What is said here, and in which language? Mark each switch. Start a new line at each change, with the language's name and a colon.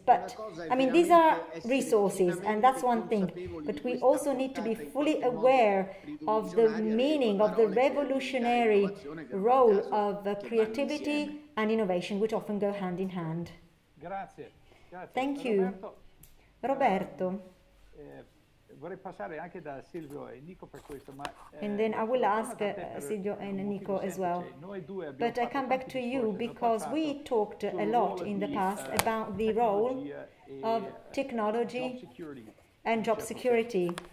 English: But, I mean, these are resources, and that's one thing. But we also need to be fully aware of the meaning of the revolutionary role of creativity and innovation, which often go hand in hand.
Italian: Grazie.
English: Thank you. Roberto.
Italian: Vorrei passare anche da Silvio e Niko per questo, ma,
English: and then I will ask Silvio and Niko as well. But I come back to you because we talked a lot in the past about the role of technology and job security.